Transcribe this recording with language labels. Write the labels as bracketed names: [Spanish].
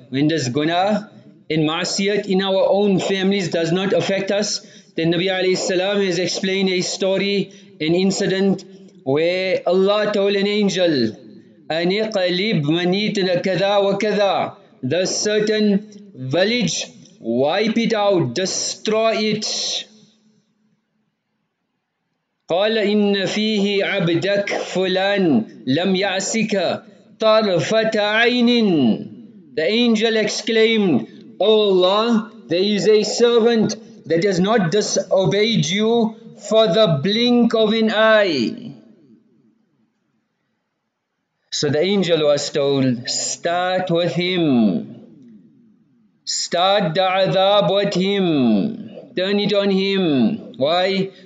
[English] When this guna in ma'asiyat in our own families does not affect us, then Nabi alayhi salam has explained a story, an incident where Allah told an angel, [Arabic] aniqalib manitna kada wa kada, [English] the certain village, wipe it out, destroy it. [Arabic] قال إن فيه عبدك فلان لم يعسك طرفة عين. [English] The angel exclaimed, Allah, there is a servant that has not disobeyed you for the blink of an eye. So the angel was told, start with him. Start the adab with him. Turn it on him. Why?